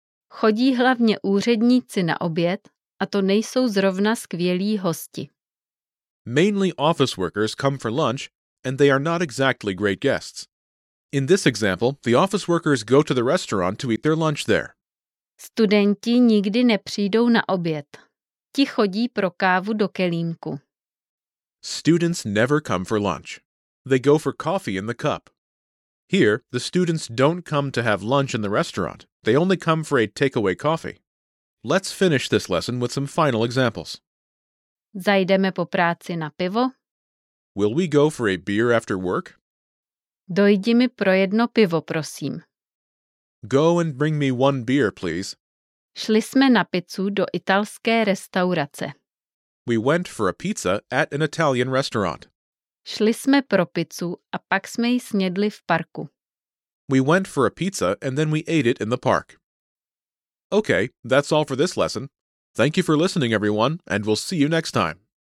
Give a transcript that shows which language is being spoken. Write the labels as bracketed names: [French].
[Czech] Chodí hlavně úředníci na oběd, a to nejsou zrovna skvělí hosti. [English] Mainly office workers come for lunch, and they are not exactly great guests. In this example, the office workers go to the restaurant to eat their lunch there. [Czech] Studenti nikdy nepřijdou na oběd. Ti chodí pro kávu do kelímku. [English] Students never come for lunch. They go for coffee in the cup. Here, the students don't come to have lunch in the restaurant. They only come for a takeaway coffee. Let's finish this lesson with some final examples. [Czech] Zajdeme po práci na pivo. [English] Will we go for a beer after work? [Czech] Dojdi mi pro jedno pivo, prosím. [English] Go and bring me one beer, please. [Czech] Šli jsme na pizzu do italské restaurace. [English] We went for a pizza at an Italian restaurant. [Czech] Šli jsme pro pizzu a pak jsme ji snědli v parku. [English] We went for a pizza and then we ate it in the park. Okay, that's all for this lesson. Thank you for listening, everyone, and we'll see you next time.